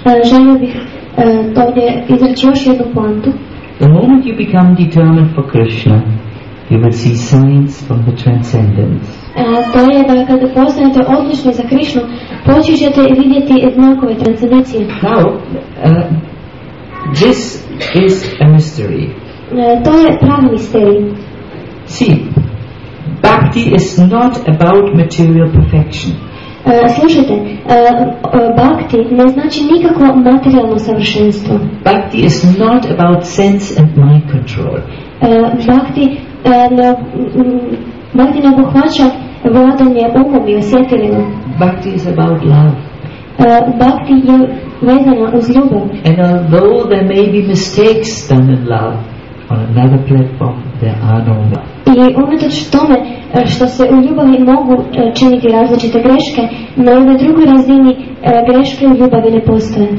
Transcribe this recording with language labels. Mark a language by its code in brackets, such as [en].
[hr] Želio bih ovdje izreći još jednu poantu. [en] The moment you become determined for Krishna, you will see signs from the transcendence. [hr] to je da kada postanete odlični za Krišnu, počinjete vidjeti znakove transcendencije. [en] Now, this is a mystery. [hr] To je pravi misterij. [en] See, bhakti is not about material perfection. [hr] Slušajte, bhakti ne znači nikakvo materijalno savršenstvo. [en] Bhakti is not about sense and mind control. [hr] Bhakti ne obuhvaća vladanje umom i osjetilima. [en] Bhakti is about love. [hr] Bhakti je vezana uz ljubav. [en] And although there may be mistakes done in love on another platform, there are no love. [hr] I unatoč tome što se u ljubavi mogu činiti različite greške, na jednoj drugoj razini greške u ljubavi ne postoje.